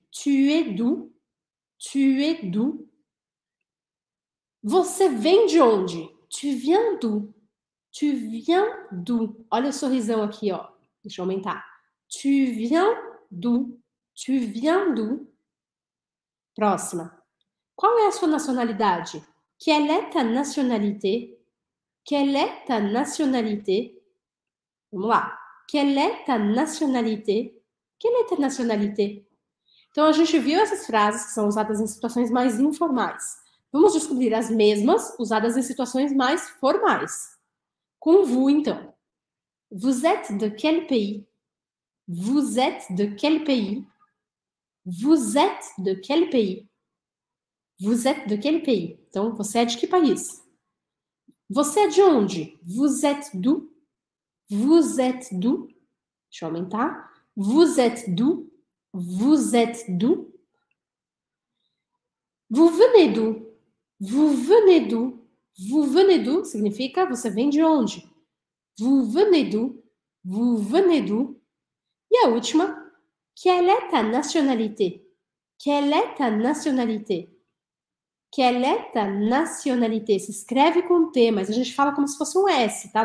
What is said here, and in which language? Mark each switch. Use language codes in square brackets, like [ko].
[fr] Tu es d'où? Tu es d'où? [pt] Você vem de onde? [fr] Tu viens d'où? Tu viens d'où? [pt] Olha o sorrisão aqui, ó. Deixa eu aumentar. [fr] Tu viens d'où? Tu viens d'où? [pt] Próxima. Qual é a sua nacionalidade? [fr] Quelle est ta nationalité? Quelle est ta nationalité? [pt] Vamos lá. [fr] Quelle est ta nationalité? Quelle est ta nationalité? [pt] Então a gente viu essas frases que são usadas em situações mais informais. Vamos descobrir as mesmas usadas em situações mais formais. Com vous, então. [fr] Vous êtes de quel pays? Vous êtes de quel pays? Vous êtes de quel pays? Vous êtes de quel pays? [pt] Então você é de que país? Você é de onde? [fr] Vous êtes d'où? Vous êtes d'où? [pt] Deixa eu aumentar. [fr] Vous êtes d'où? Vous êtes d'où? Vous venez d'où? Vous venez d'où? Vous venez d'où? [pt] Significa você vem de onde? [fr] Vous venez d'où? Vous venez d'où? [pt] E a última. [fr] Quelle est ta nationalité? Quelle est ta nationalité? Quelle est ta nationalité? [pt] Se escreve com T, mas a gente fala como se fosse um S, tá?